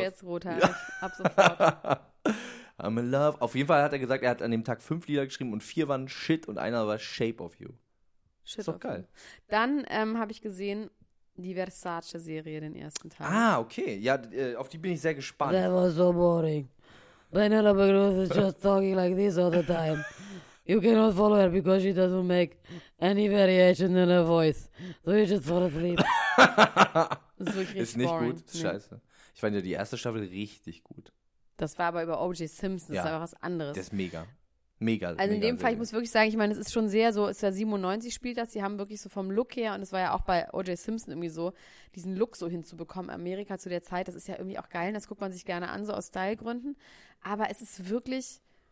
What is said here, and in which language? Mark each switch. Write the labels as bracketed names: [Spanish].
[German] Jetzt rothaarig. Ja. Ab sofort. [English] I'm in love. [German] Auf jeden Fall hat er gesagt, er hat an dem Tag 5 Lieder geschrieben und 4 waren Shit und einer war Shape of You. Shit ist doch geil. Dann habe ich gesehen die Versace-Serie, den ersten Teil. Ah, okay. Ja, auf die bin ich sehr gespannt. [English] That was so boring. Penelope Cruz is just talking like this all the time. You cannot follow her because she doesn't make any variation in her voice. So you just fall asleep. [German] Ist nicht boring. Gut. Ist scheiße. Ich fand ja die erste Staffel richtig gut. Das war aber über O.J. Simpson. Das ist einfach was anderes. Das ist mega. Mega. Also mega in dem Fall, ich muss wirklich sagen, ich meine, es ist schon sehr so, ist ja 97 spielt das, die haben wirklich so vom Look her, und es war ja auch bei O.J. Simpson irgendwie so, diesen Look so hinzubekommen, Amerika zu der Zeit, das ist ja irgendwie auch geil, und das guckt man sich gerne an, so aus Stylegründen, aber es ist wirklich...